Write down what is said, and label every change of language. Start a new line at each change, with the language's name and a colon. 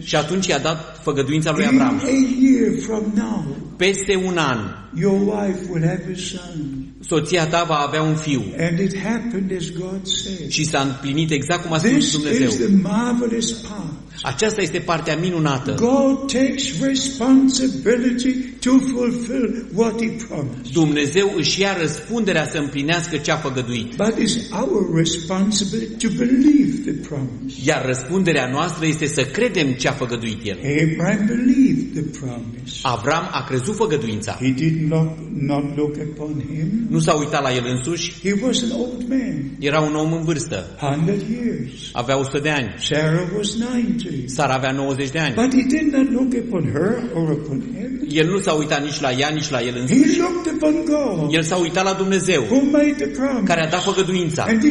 Romanian: și atunci i-a dat făgăduința lui Avram.
English: In a year from now,
Romanian: peste un an,
English: your wife will have a son.
Romanian: Soția ta va avea un fiu.
English: And it happened as God said.
Romanian: Și s-a împlinit exact cum a
English: this
Romanian: spus Dumnezeu.
English: This is the marvelous part.
Romanian: Aceasta este partea minunată.
English: God takes responsibility to fulfill what he promised.
Romanian: Dumnezeu își ia răspunderea să împlinească ce a făgăduit.
English: But it's our responsibility to believe the promise.
Romanian: Iar răspunderea noastră este să credem ce a făgăduit el.
English: Abraham believed the promise.
Romanian: Avram a crezut făgăduința.
English: He did not look upon him.
Romanian: Nu s-a uitat la el însuși.
English: He was an old man.
Romanian: Era un om în vârstă.
English: 100 years.
Romanian: Avea 100 de ani.
English: Sarah was 90.
Romanian: Sara avea 90 de ani.
English: But he did not look upon her or upon him.
Romanian: El nu s-a uitat nici la ea, nici la el însuși. El s-a uitat la Dumnezeu, care a dat făgăduința.